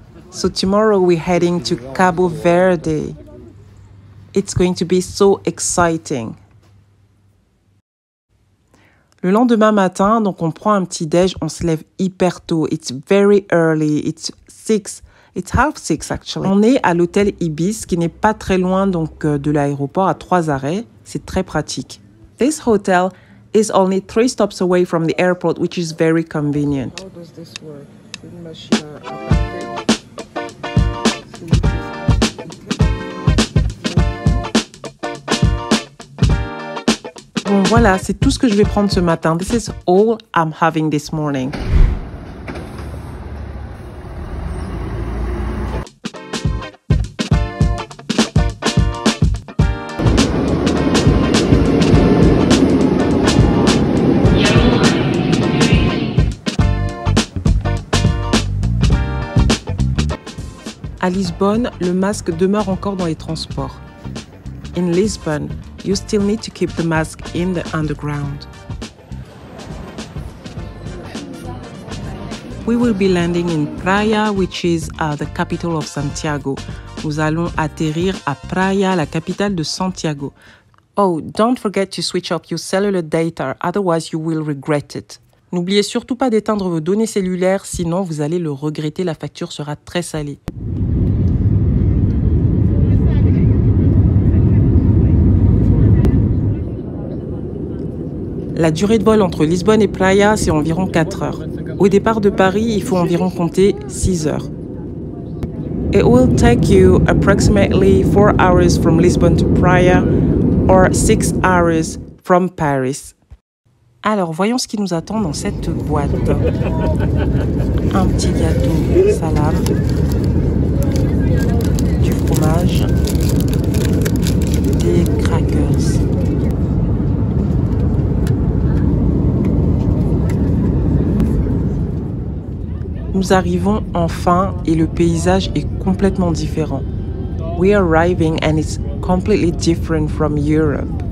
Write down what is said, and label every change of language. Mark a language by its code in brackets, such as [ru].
[en] So tomorrow we're heading to Cabo Verde. It's going to be so exciting. [fr] Le lendemain matin, donc on prend un petit déj, on se lève hyper tôt. [en] It's very early. It's 6. It's half 6 actually. [fr] On est à l'hôtel Ibis qui n'est pas très loin donc de l'aéroport à 3 arrêts. C'est très pratique. [en] This hotel is only 3 stops away from the airport, which is very convenient. How does this work? [fr] Une machine à... Bon voilà, c'est tout ce que je vais prendre ce matin. [en] This is all I'm having this morning. [fr] À Lisbonne, le masque demeure encore dans les transports. [en] In Lisbon, you still need to keep the mask in the underground. We will be landing in Praia, which is the capital of Santiago. [fr] Nous allons atterrir à Praia, la capitale de Santiago. [en] Oh, don't forget to switch off your cellular data, otherwise you will regret it. [fr] N'oubliez surtout pas d'éteindre vos données cellulaires, sinon vous allez le regretter, la facture sera très salée. La durée de vol entre Lisbonne et Praia, c'est environ 4 heures. Au départ de Paris, il faut environ compter 6 heures. [en] It will take you approximately 4 hours from Lisbon to Praia, or 6 hours from Paris. [fr] Alors, voyons ce qui nous attend dans cette boîte. Un petit gâteau salade, du fromage, des crackers. Nous arrivons enfin et le paysage est complètement différent. [en] We are arriving and it's completely different from Europe.